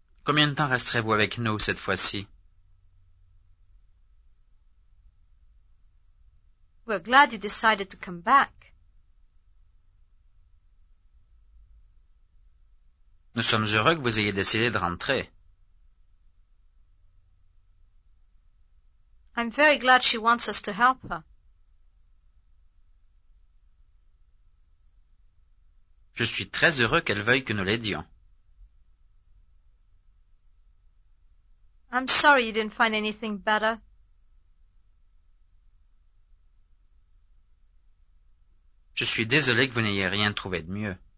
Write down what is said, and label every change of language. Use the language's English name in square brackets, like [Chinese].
[French] Combien de temps resterez-vous avec nous cette fois-ci? [English] We're glad you decided to come back. [French] Nous sommes heureux que vous ayez décidé de rentrer. [English] I'm very glad she wants us to help her. [French] Je suis très heureux qu'elle veuille que nous l'aidions. [English] I'm sorry you didn't find anything better. [French] Je suis désolé que vous n'ayez rien trouvé de mieux.